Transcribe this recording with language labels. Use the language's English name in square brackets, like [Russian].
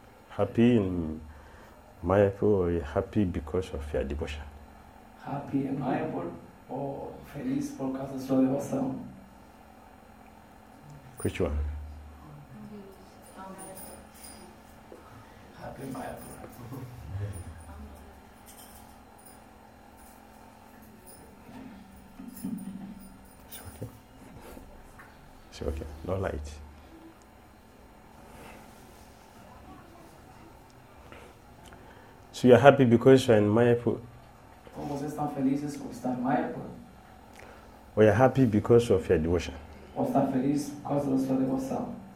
[English] Happy in Mayapur or happy because of your devotion? Happy in Mayapur or [Portuguese] feliz por causa da sua devoção? [English] Which one? Happy in Mayapur. Okay, no light. So you are happy because you are in Mayapur? [Portuguese] Como vocês estão felizes por estar em Mayapur? [English] Or you are happy because of your devotion? [Portuguese] Ou está feliz por causa da sua devoção?